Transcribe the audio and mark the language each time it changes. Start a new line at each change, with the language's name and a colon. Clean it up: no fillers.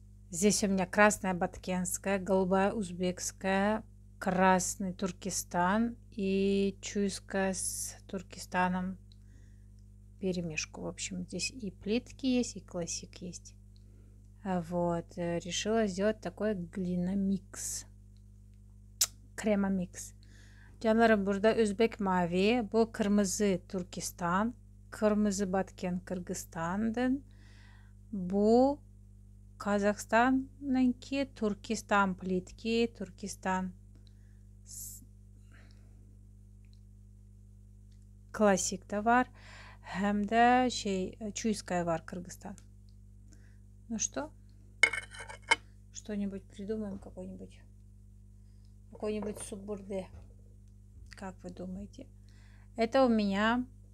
Russian: Здесь у меня красная баткенская, голубая узбекская, красный Туркестан и чуйская с Туркестаном. Перемешку. В общем, здесь и плитки есть, и классик есть. Вот. Решила сделать такой глиномикс. Кремомикс.
Turkish: Canlarım burada Özbek mavi, bu kırmızı Türkistan, kırmızı Batken Kırgızistan'dan, bu Kazakistan'ınki Türkistan plitki, Türkistan klasik de var, hem de şey Çuyskaya var Kırgızistan.
Russian: Ну что? Что-нибудь придумаем какой-нибудь субурде. Как вы думаете? Это у меня...